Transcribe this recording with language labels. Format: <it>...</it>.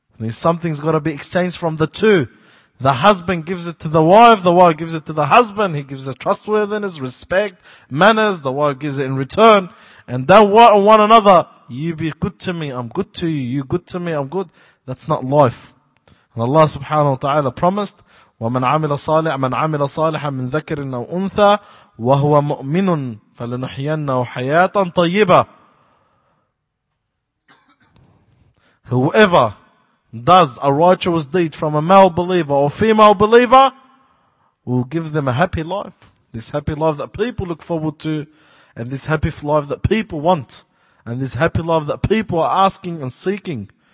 <en>Something's got to be exchanged from the two. The husband gives it to the wife gives it to the husband. He gives it trustworthiness, respect, manners. The wife gives it in return. And that one another, you be good to me, I'm good to you. You good to me, I'm good. That's not life. And Allah subhanahu wa ta'ala promised,</en> <ar>وَمَنْ عَمِلَ صَالِحًا مَنْ عَمِلَ صَالِحًا مِنْ ذَكَرٍ أَوْ أُنْثَى وَهُوَ مُؤْمِنٌ فَلَنُحْيَنَّهُ حَيَاةً طَيِّبَةً.</ar> <en>Whoever does a righteous deed from a male believer or female believer will give them a happy life. This happy life that people look forward to, and this happy life that people want, and this happy life that people are asking and seeking.</en>